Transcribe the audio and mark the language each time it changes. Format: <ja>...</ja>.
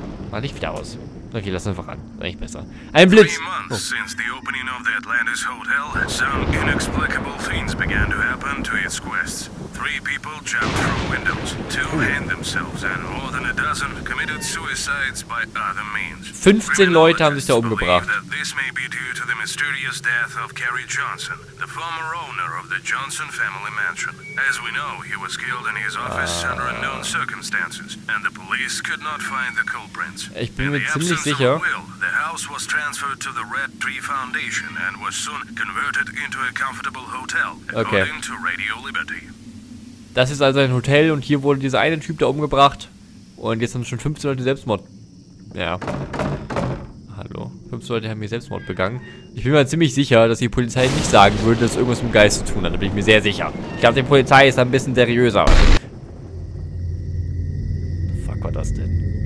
<de>Mach ich wieder aus. Okay, lass einfach ran. Eigentlich besser. Ein Blitz! Oh. Oh. 15 Leute haben sich da umgebracht.</de> <en>Mysterious death of Carrie Johnson, the former owner of the Johnson family mansion. As we know, he was killed in his office under unknown circumstances, and the police could not find the culprits.</en> <de>Ich bin mir ziemlich sicher.</de> <en>The house was transferred to the Red Tree Foundation and was soon converted into a comfortable hotel, according to Radio Liberty.</en> <de>Das ist also ein Hotel und hier wurde dieser eine Typ da umgebracht und jetzt haben schon 15 Leute Selbstmord. Ja. Hallo? 5 Leute haben hier Selbstmord begangen. Ich bin mir ziemlich sicher, dass die Polizei nicht sagen würde, dass irgendwas mit dem Geist zu tun hat. Da bin ich mir sehr sicher. Ich glaube, die Polizei ist ein bisschen seriöser. Fuck, war das denn?</de>